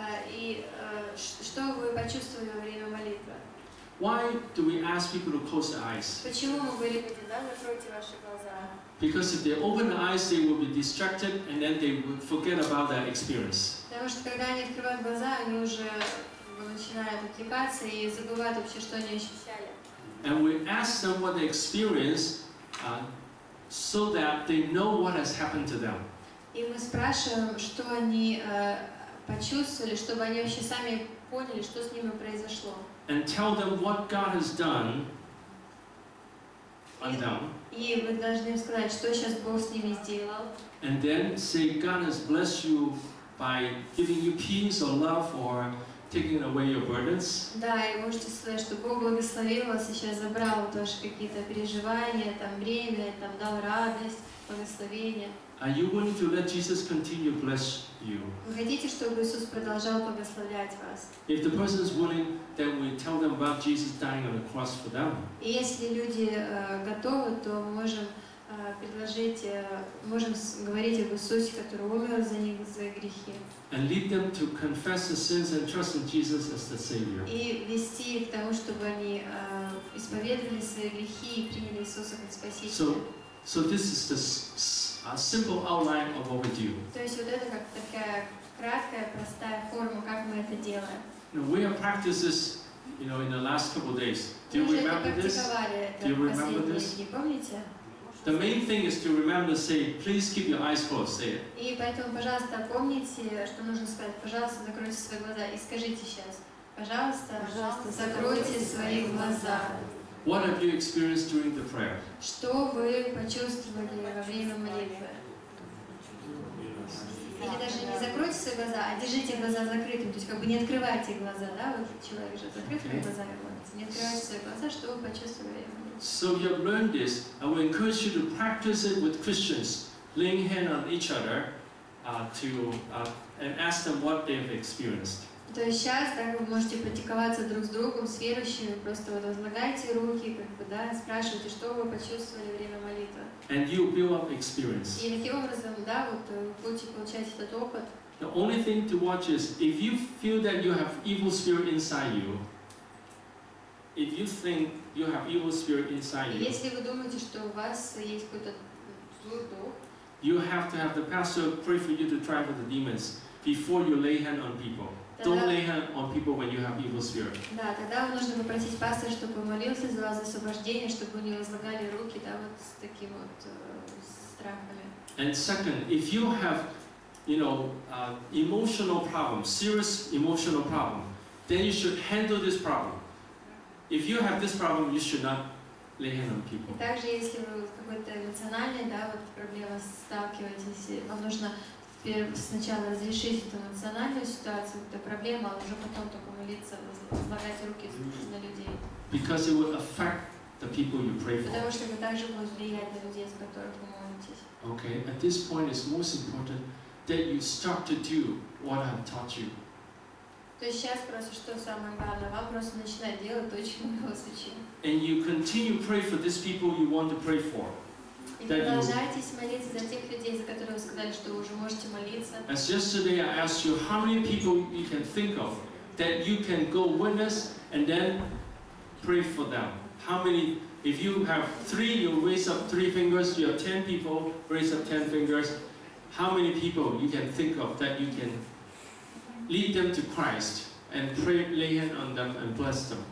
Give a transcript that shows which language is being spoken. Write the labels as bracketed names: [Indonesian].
[Russian] И что вы почувствовали во время молитвы? [English] Why do we ask people to close their eyes? [Russian] Почему мы говорим, да, закройте ваши глаза? [English] Because if they open their eyes, they will be distracted and then they will forget about that experience. [Russian] Потому что когда они открывают глаза, они уже начинают отвлекаться и забывают вообще, что они ощущали. [English] And we ask them what they experience, so that they know what has happened to them. [Russian] И мы спрашиваем, что они почувствовали, чтобы они вообще сами поняли, что с ними произошло. [English] And tell them what God has done Адам. [Russian] И вы должны сказать, что сейчас Бог с ними сделал. [English] And then say God has blessed you by giving you peace or love or taking away your burdens. [Russian] Да, и можете сказать, что Бог благословил вас и сейчас забрал тоже какие-то переживания, там бремя, там дал радость, благословение. [English] Are you willing to let Jesus continue bless you? [Russian] Вы хотите, чтобы Иисус продолжал благословлять вас? [English] If the person is willing, then we tell them about Jesus dying on the cross for them. [Russian] И если люди готовы, то мы можем предложить, можем говорить об Иисусе, который умер за них за грехи. [English] And lead them to confess their sins and trust in Jesus as the Savior. [Russian] И вести их к тому, чтобы они исповедовали свои грехи и приняли Иисуса как Спасителя. [English] So this is the simple outline of what we do. [Russian] То есть вот это как такая краткая простая форма, как мы это делаем. [English] We have practiced this, you know, in the last couple of days. Do you remember this? Do you remember this? [Russian] Помните? [English] The main thing is to remember, say, please keep your eyes closed, say it. [Russian] И поэтому, пожалуйста, помните, что нужно сказать. Пожалуйста, закройте свои глаза и скажите сейчас. Пожалуйста, закройте свои глаза. [English] What have you experienced during the prayer? [Russian] Что вы почувствовали во время молитвы? Или даже не закройте свои глаза, а держите глаза закрытыми. То есть как бы не открывайте глаза, да? Вот человек же закрыт свои глаза, не открывайте свои глаза, что вы почувствовали. [English] So you've learned this, and we encourage you to practice it with Christians, laying hands on each other, and ask them what they've experienced. [Russian] То есть сейчас, да, вы можете практиковаться друг с другом, с верующими, просто вот возлагайте руки, как бы, да, спрашивайте, что вы почувствовали во время молитвы. [English] And you build up experience. [Russian] И таким образом, да, вот будете получать этот опыт. [English] The only thing to watch is if you feel that you have evil spirit inside you. If you think you have evil spirit inside you. [Russian] Если вы думаете, что у вас есть какой-то злой дух. [English] You have to have the pastor pray for you to drive out the demons before you lay hand on people. Don't lay hand on people when you have evil spirit. [Russian] Да, тогда вам нужно попросить пастора, чтобы он молился за вас за освобождение, чтобы вы не возлагали руки, да, вот с таким вот страхами. [English] And second, if you have, you know, emotional problem, serious emotional problem, then you should handle this problem. If you have this problem, you should not lay hands on people. [Russian] Также если вы какой-то эмоциональный, да, вот проблема сталкиваетесь, вам нужно сначала разрешить эту эмоциональную ситуацию, эту проблему, а уже потом только молиться, возлагать руки на людей. [English] Because it will affect the people you pray for. [Russian] Потому что это также будет влиять на людей, с которых вы молитесь. [English] Okay. At this point, it's most important that you start to do what I've taught you. [Russian] То есть сейчас просто что самое главное, вам просто начинать делать то, чему мы вас учили. [English] And you continue pray for these people you want to pray for. [Russian] И продолжайте молиться за тех людей, за которых вы сказали, что вы уже можете молиться. [English] As yesterday I asked you how many people you can think of that you can go witness and then pray for them. How many? If you have three, you raise up three fingers. You have 10 people, raise up 10 fingers. How many people you can think of that you can lead them to Christ and pray, lay hand on them and bless them.